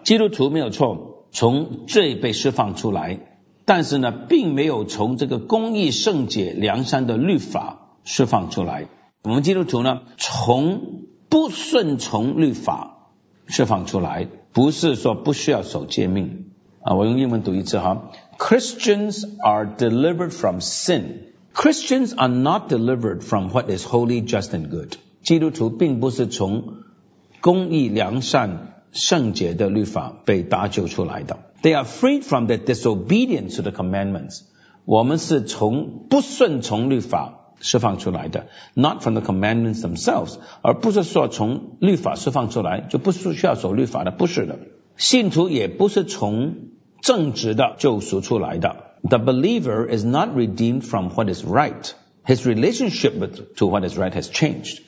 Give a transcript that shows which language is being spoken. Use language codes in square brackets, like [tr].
[zh] 基督徒没有错，从罪被释放出来，但是呢，并没有从这个公义、圣洁、良善的律法释放出来。我们基督徒呢，从不顺从律法释放出来，不是说不需要守诫命啊。我用英文读一次哈 [en] ：Christians are delivered from sin. Christians are not delivered from what is holy, just and good. [zh] 基督徒并不是从公义、良善、圣洁的律法被搭救出来的。 [en] They are freed from the disobedience to the commandments. [zh] 我们是从不顺从律法释放出来的 ， [en] not from the commandments themselves. [zh] 而不是说从律法释放出来就不需要守律法的，不是的。信徒也不是从正直的救赎出来的。 [en] The believer is not redeemed from what is right. His relationship to what is right has changed.